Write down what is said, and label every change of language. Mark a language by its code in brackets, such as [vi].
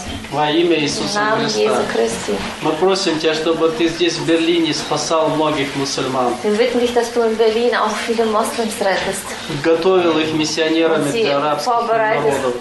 [ru] Во имя Иисуса Христа. Мы просим тебя, чтобы ты здесь в Берлине спасал многих мусульман. [de] Wir bitten dich, dass du in Berlin auch viele Moslems rettest. [ru] Готовил их миссионерами для арабских народов,